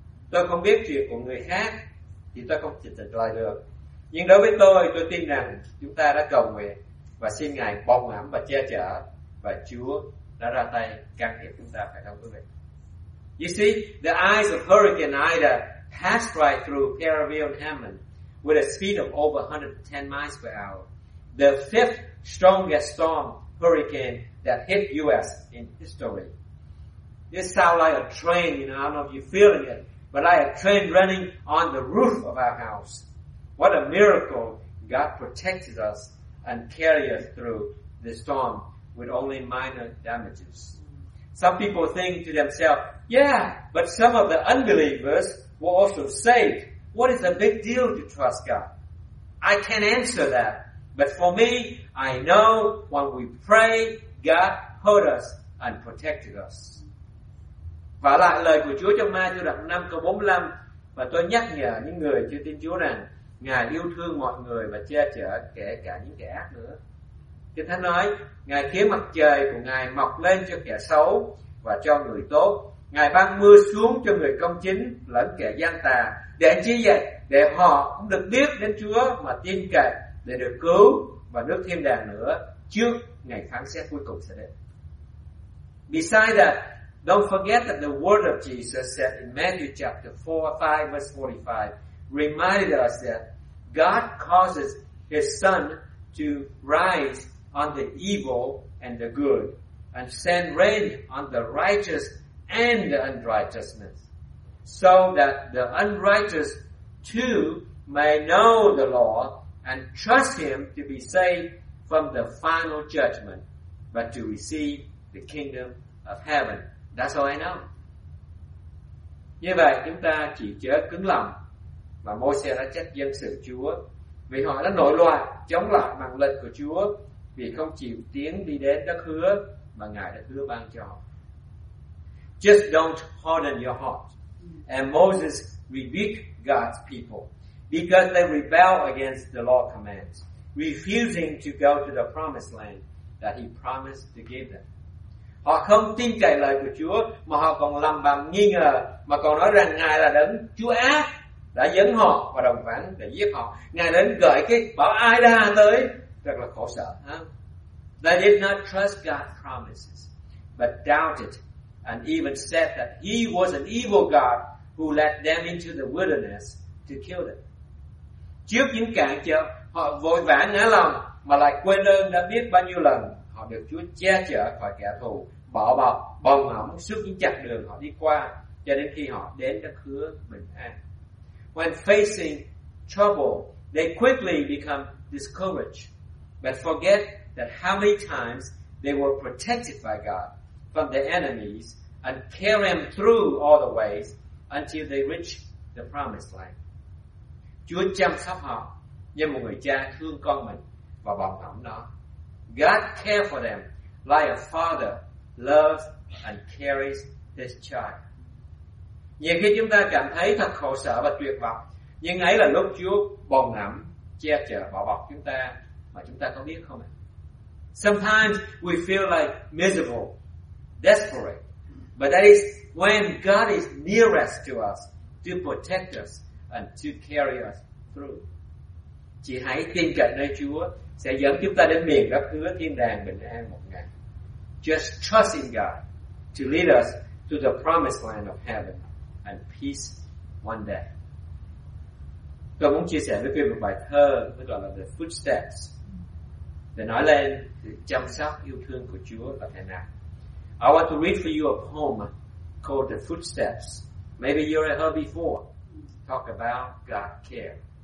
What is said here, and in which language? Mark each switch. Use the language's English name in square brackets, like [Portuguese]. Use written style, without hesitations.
[Vietnamese] Tôi không biết chuyện của người khác thì tôi không thể trả lời được, nhưng đối với tôi tin rằng chúng ta đã cầu nguyện và xin Ngài bông ẩm và che chở, và Chúa đã ra tay can thiệp chúng ta, phải không quý vị? [English] You see, the eyes of Hurricane Ida passed right through Caribbean Hammond with a speed of over 110 miles per hour, the fifth strongest storm hurricane that hit U.S. in history. This sounds like a train, you know, I don't know if you're feeling it, but like a train running on the roof of our house. What a miracle God protected us and carried us through the storm with only minor damages. Some people think to themselves, yeah, but some of the unbelievers were also saved. What is the big deal to trust God? I can't answer that. But for me, I know when we pray, God heard us and protected us. [Vietnamese] Và lại lời của Chúa trong Ma-thi-ơ đoạn 5 câu 45, và tôi nhắc nhở những người chưa tin Chúa rằng Ngài yêu thương mọi người và che chở kể cả những kẻ ác nữa. Kinh Thánh nói, Ngài khiến mặt trời của Ngài mọc lên cho kẻ xấu và cho người tốt. Ngài ban mưa xuống cho người công chính lẫn kẻ gian tà. Để chi vậy? Để họ cũng được biết đến Chúa mà tin cậy, để được cứu và nước thiên đàng nữa trước ngày phán xét cuối cùng sẽ đến. [English] Besides that, don't forget that the word of Jesus said in Matthew chapter 4:5 verse 45 reminded us that God causes his sun to rise on the evil and the good and send rain on the righteous and the unrighteousness, so that the unrighteous too may know the law and trust him to be saved from the final judgment, but to receive the kingdom of heaven. That's all I know. [Vietnamese] Như vậy chúng ta chỉ chớ cứng lòng, và Môi-se đã trách dân sự Chúa vì họ đã nổi loạn chống lại mạng lệnh của Chúa, vì không chịu tiến đi đến đất hứa mà Ngài đã hứa ban cho họ. [English] Just don't harden your heart. And Moses rebuked God's people because they rebelled against the law commands, refusing to go to the promised land that he promised to give them. [Vietnamese] Họ không tin cậy lời của Chúa, mà họ còn lầm bầm nghi ngờ, mà còn nói rằng Ngài là đấng Chúa ác đã dẫn họ vào đồng vắng để giết họ. Ngài đến gửi cái bảo ai đa tới, rất là khổ sở. [English] They did not trust God's promises, but doubted and even said that he was an evil God who led them into the wilderness to kill them. [Vietnamese] Trước những cản trở, họ vội vã ngã lòng, mà lại quên ơn đã biết bao nhiêu lần họ được Chúa che chở khỏi kẻ thù, bảo bọc, bồng ẩm suốt những chặng đường họ đi qua, cho đến khi họ đến đất hứa bình an. [English] When facing trouble, they quickly become discouraged, but forget that how many times they were protected by God from their enemies and carried them through all the ways until they reach the promised land. [Vietnamese] Chúa chăm sóc họ như một người cha thương con mình và bồng ẩm nó. [English] God cared for them like a father loves and carries his child. [Vietnamese] Nhiều khi chúng ta cảm thấy thật khổ sở và tuyệt vọng, nhưng ấy là lúc Chúa bồng ẩm, che chở, bảo bọc chúng ta, mà chúng ta có biết không ạ? [English] Sometimes we feel like miserable, desperate, but that is when God is nearest to us to protect us and to carry us through. [Vietnamese] Chỉ hãy tin cậy nơi Chúa sẽ dẫn chúng ta đến miền đất hứa thiên đàng bình an một ngày. [English] Just trust in God to lead us to the promised land of heaven and peace one day. [Vietnamese] Tôi muốn chia sẻ với quý vị một bài thơ, tức là The Footsteps, để nói lên sự chăm sóc yêu thương của Chúa là thế nào. [English] I want to read for you a poem called The Footsteps. Maybe you have heard before. Talk about God care.